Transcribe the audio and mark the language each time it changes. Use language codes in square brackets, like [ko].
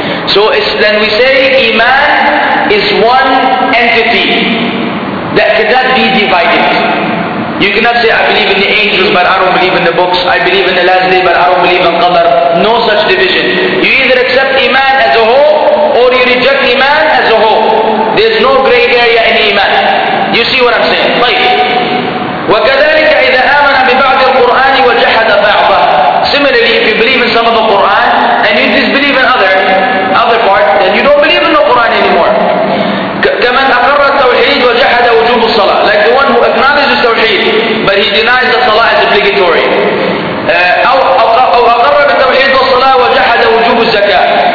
[en] So it's, then we say Iman is one entity that cannot be divided. You cannot say, I believe in the angels, but I don't believe in the books. I believe in the last day, but I don't believe in Qadr. No such division. You either accept Iman as a whole, or you reject Iman as a whole. There's no gray area in Iman. You see what I'm saying? [ar] Like, وَكَذَلِكَ إِذَا آمَنَ بِبَعْضِ الْقُرْآنِ وَجَحَدَ بَعْضًا. [en] Similarly, if you believe in some of the Qur'an, and you disbelieve in other part, then you don't believe in the Qur'an anymore. [ar] كَمَنْ أَقَرَّ التَّوْحِيدُ وَجَحَدَ وُجُوبُ الصَّلَاةِ. [en] Like the one who acknowledges Tawheed, but he denies that Salah is obligatory. [ar] أَوْ أَقَرَّ التَّوْحِيدُ وَالصَّلَاةِ وَجَحَدَ وُجُوبُ الزَّكَاةِ.